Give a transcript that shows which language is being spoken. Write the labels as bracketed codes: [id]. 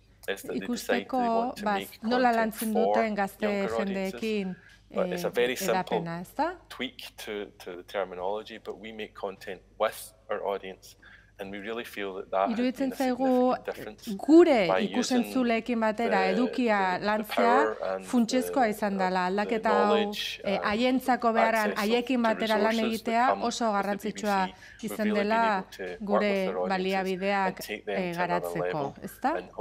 [eu] Ikusteko nola lantzen duten gazte jendeekin edapena, ez da? [en] Tweak to the terminology, but we make content with our audience and we really feel that that [eu] iruditzen zaigu gure ikusentzuleekin batera edukia lantzea funtsezkoa izan dela, aldaketa hau haientzako beharan haiekin batera lan egitea oso garrantzitsua izan dela gure baliabideak garatzeko, ezta?